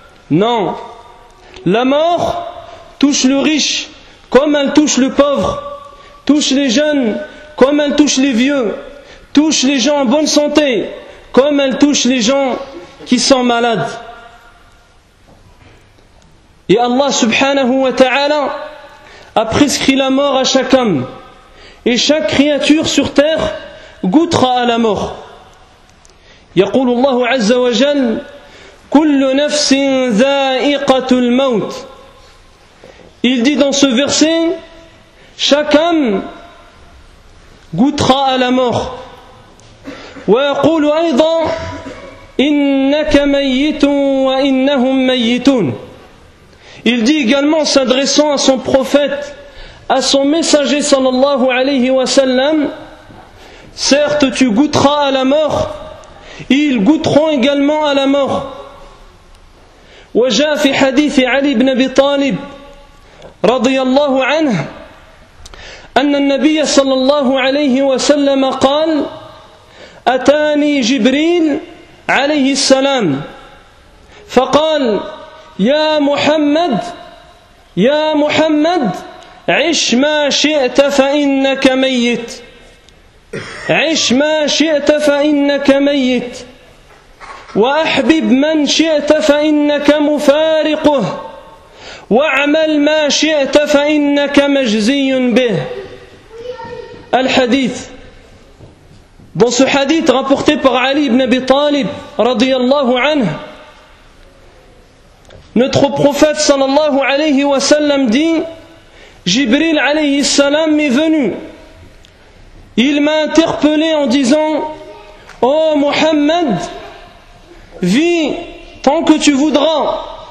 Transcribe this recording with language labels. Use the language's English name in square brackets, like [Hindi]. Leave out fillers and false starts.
[French] Non, la mort touche le riche comme elle touche le pauvre, touche les jeunes comme elle touche les vieux, touche les gens en bonne santé comme elle touche les gens qui sont malades. Et Allah subhanahu wa ta'ala a prescrit la mort à chaque homme et chaque créature sur terre goûtera à la mort. [Arabic] يقول الله عز وجل كل نفس ذائقة الموت. [French] Il dit dans ce verset, chaque homme goûtera à la mort. [Arabic] ويقول أيضا إنك ميت وإنهم ميتون. [French] Il dit également, s'adressant à son prophète, à son messager sallallahu alayhi wa sallam, certes, tu goûteras à la mort, ils goûteront également à la mort. [Arabic] وَجَاءَ فِي حَدِيثِ عَلِي بْنَ أَبِي طَالِبٍ رَضِيَ اللَّهُ عَنْهُ أَنَّ النَّبِيَّ صَلَّى اللَّهُ عَلَيْهِ وَسَلَّمَ قَالَ أَتَانِي جِبْرِيلُ عَلَيْهِ السَّلَامُ فَقَالَ يَا مُحَمَّدُ يَا مُحَمَّدُ عِشْ مَا شِئْتَ فَإِنَّكَ مَيِّتٌ عش ما شئت فإنك ميت وأحبب من شئت فإنك مفارقه وعمل ما شئت فإنك مجزي به الحديث. [French] Dans ce hadith rapporté par Ali ibn Abi Talib رضي الله عنه, notre prophète صلى الله عليه وسلم dit, Jibril عليه السلام est venu. Il m'a interpellé en disant, « Oh Mohammed, vis tant que tu voudras,